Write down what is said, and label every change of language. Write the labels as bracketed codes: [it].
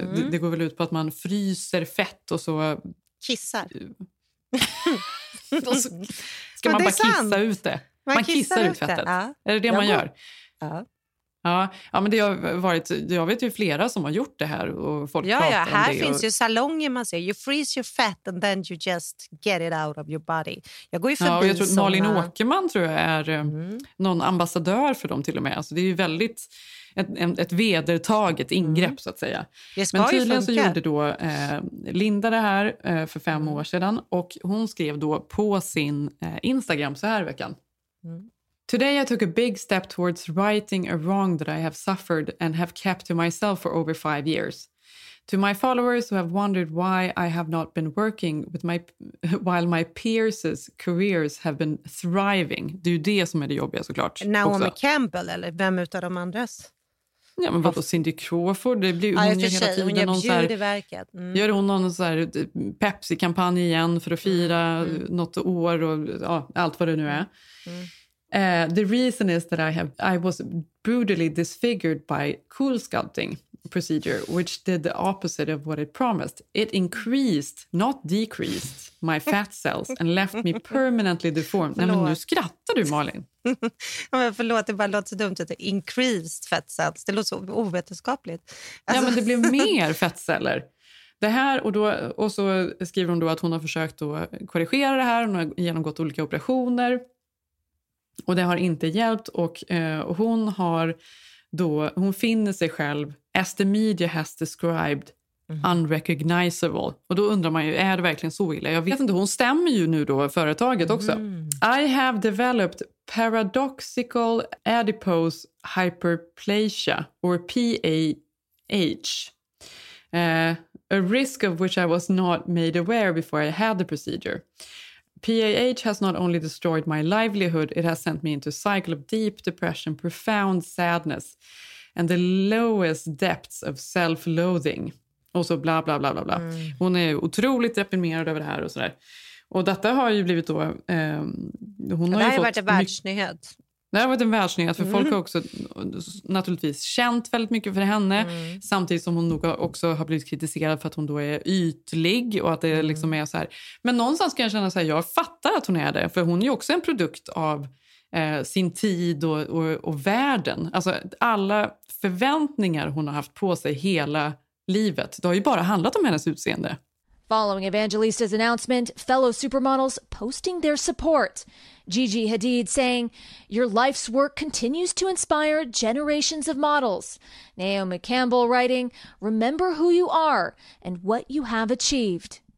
[sv] Det går väl ut på att man fryser fett och så... Kissar. Och så ska man bara kissa ut det? Man kissar ut fettet. Ja. Är det det man gör? Ja. Ja, men det har varit, jag vet ju flera som har gjort det här och folk pratar om det. Ja, här finns ju salonger man ser. [en] You freeze your fat and then you just get it out of your body. [sv] Jag går ju förbi Och jag tror Malin Åkerman tror jag är någon ambassadör för dem till och med. Alltså det är ju väldigt ett vedertaget ingrepp så att säga. Men tydligen så gjorde då Linda det här för 5 år sedan, och hon skrev då på sin Instagram så här veckan. [en] Today I took a big step towards righting a wrong that I have suffered and have kept to myself for over 5 years. To my followers who have wondered why I have not been working with my, while my peers' careers have been thriving. [sv] Det är ju det som är det jobbiga såklart. Naomi Campbell eller vem utav de andras? Ja, men vadå, Cindy Crawford? Det blir, ja, hon gör hela tiden någon så här, verket. Mm. Gör hon någon så här Pepsi-kampanj igen för att fira något år och ja, allt vad det nu är. [en] The reason is that I was brutally disfigured by cool sculpting procedure, which did the opposite of what it promised. It increased, not decreased, my fat cells and left me permanently deformed. [sv] Förlåt. Nej, men nu skrattar du, Malin. Ja, men förlåt, det bara låter så dumt att det är [en] increased fat cells. [sv] Det låter så ovetenskapligt. Alltså. Ja, men det blev mer fettceller. Det här, och, då, och så skriver hon då att hon har försökt att korrigera det här. Hon har genomgått olika operationer. Och det har inte hjälpt. Och hon har då, hon finner sig själv, [en] as the media has described, unrecognizable. [sv] Och då undrar man ju, är det verkligen så illa? Jag vet inte, hon stämmer ju nu då företaget också. [en] I have developed paradoxical adipose hyperplasia, or PAH. A risk of which I was not made aware before I had the procedure. PAH has not only destroyed my livelihood, it has sent me into a cycle of deep depression, profound sadness, and the lowest depths of self-loathing. [sv] Och så bla bla bla bla bla. Hon är otroligt deprimerad över det här och sådär. Och detta har ju blivit då... hon har det ju har varit en världsnyhet. Det har varit en världsnyhet, för folk har också naturligtvis känt väldigt mycket för henne. Samtidigt som hon nog också har blivit kritiserad för att hon då är ytlig och att det liksom är så här. Men någonstans kan jag känna så här, jag fattar att hon är det. För hon är ju också en produkt av sin tid och världen. Alltså alla förväntningar hon har haft på sig hela livet. Det har ju bara handlat om hennes utseende. [en] Following Evangelista's announcement, fellow supermodels posting their support. Gigi Hadid saying, "Your life's work continues to inspire generations of models." Naomi Campbell writing, "Remember who you are and what you have achieved."